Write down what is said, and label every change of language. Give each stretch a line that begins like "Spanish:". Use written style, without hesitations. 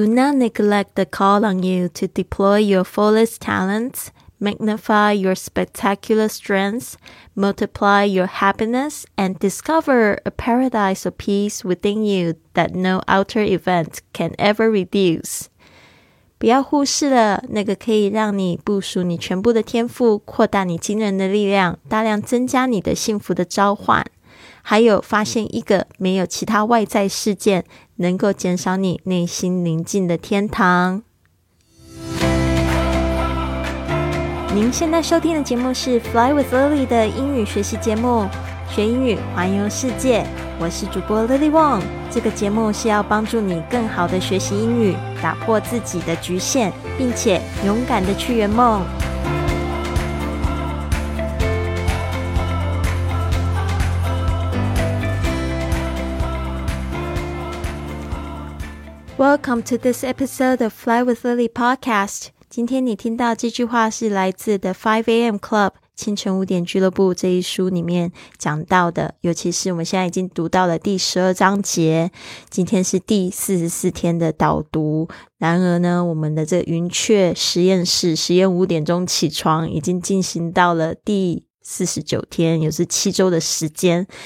English: Do not neglect the call on you to deploy your fullest talents, magnify your spectacular strengths, multiply your happiness, and discover a paradise of peace within you that no outer event can ever reduce.
Chinese: 不要忽视了那个可以让你部署你全部的天赋，扩大你惊人的力量，大量增加你的幸福的召唤，还有发现一个没有其他外在事件能够减少你内心宁静的天堂。您现在收听的节目是 Fly with Lily 的英语学习节目，学英语环游世界，我是主播 Lily Wong。这个节目是要帮助你更好的学习英语，打破自己的局限，并且勇敢的去圆梦。
English: Welcome to this episode of Fly with Lily podcast.
Chinese: 今天你听到这句话是来自 The 5AM Club 清晨五点俱乐部这一书里面讲到的，尤其是我们现在已经读到了第12章节，今天是第44天的导读。然而呢，我们的这个云雀实验室实验五点钟起床已经进行到了第49天，也是七周的时间。